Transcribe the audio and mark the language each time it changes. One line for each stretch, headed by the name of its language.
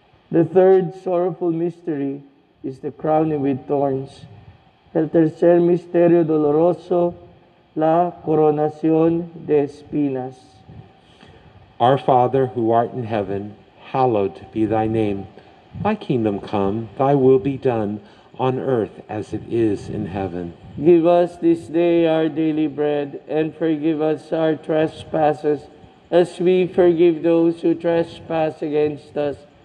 English: The third sorrowful mystery is the crowning with thorns.
Spanish: El tercer misterio doloroso, la coronación de espinas.
English: Our Father, who art in heaven, hallowed be thy name. Thy kingdom come, thy will be done, on earth as it is in heaven. Give us this day our daily bread, and forgive us our trespasses, as we forgive those who trespass against us.